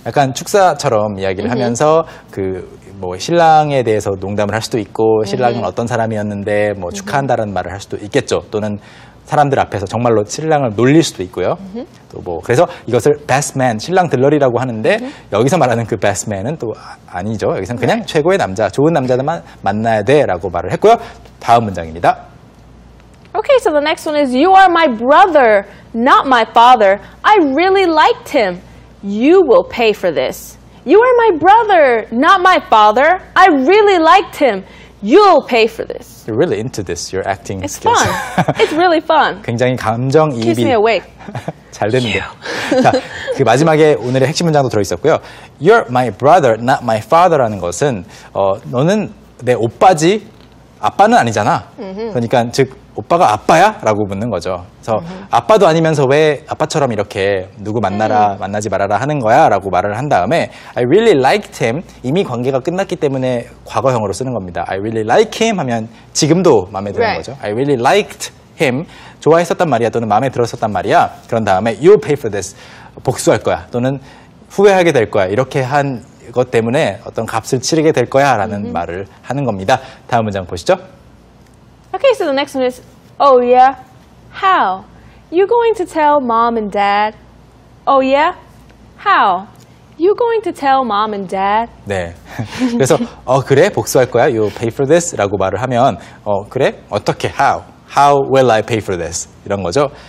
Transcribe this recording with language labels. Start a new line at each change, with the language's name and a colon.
Korean: 약간 축사처럼 이야기를 하면서 그 뭐 신랑에 대해서 농담을 할 수도 있고 신랑은 어떤 사람이었는데 뭐 축하한다라는 말을 할 수도 있겠죠. 또는 사람들 앞에서 정말로 신랑을 놀릴 수도 있고요. 또 뭐 그래서 이것을 best man, 신랑 들러리라고 하는데 여기서 말하는 그 best man은 또 아니죠. 여기서는 그냥 최고의 남자, 좋은 남자들만 만나야 돼라고 말을 했고요. 다음 문장입니다.
English: Okay, so the next one is you are my brother, not my father. I really liked him. You will pay for this. You are my brother, not my father. I really liked him. You'll pay for this. You're really into this. Your acting It's skills. It's fun. It's really fun.
Korean: 굉장히 감정이입이
English: Keeps me awake.
Korean: 잘 됐는데. 자, 그 마지막에 오늘의 핵심 문장도 들어 있었고요.
English: You're my brother, not my father
Korean: 라는 것은 너는 내 오빠지 아빠는 아니잖아. 그러니까 즉 오빠가 아빠야? 라고 묻는 거죠. 그래서 아빠도 아니면서 왜 아빠처럼 이렇게 누구 만나라, 만나지 말아라 하는 거야? 라고 말을 한 다음에
English: I really liked him.
Korean: 이미 관계가 끝났기 때문에 과거형으로 쓰는 겁니다.
English: I really like him
Korean: 하면 지금도 마음에 드는 거죠.
English: I really liked him.
Korean: 좋아했었단 말이야 또는 마음에 들었었단 말이야. 그런 다음에
English: you'll pay for this.
Korean: 복수할 거야 또는 후회하게 될 거야. 이렇게 한 것 때문에 어떤 값을 치르게 될 거야 라는 말을 하는 겁니다. 다음 문장 보시죠.
English: Okay, so the next one is, oh yeah, how? You going to tell mom and dad? Oh yeah, how? You going to tell mom and dad?
Korean: 네, 그래서 그래? 복수할 거야?
English: You'll pay for this?
Korean: 라고 말을 하면 그래? 어떻게? How?
English: How will I pay for this?
Korean: 이런 거죠.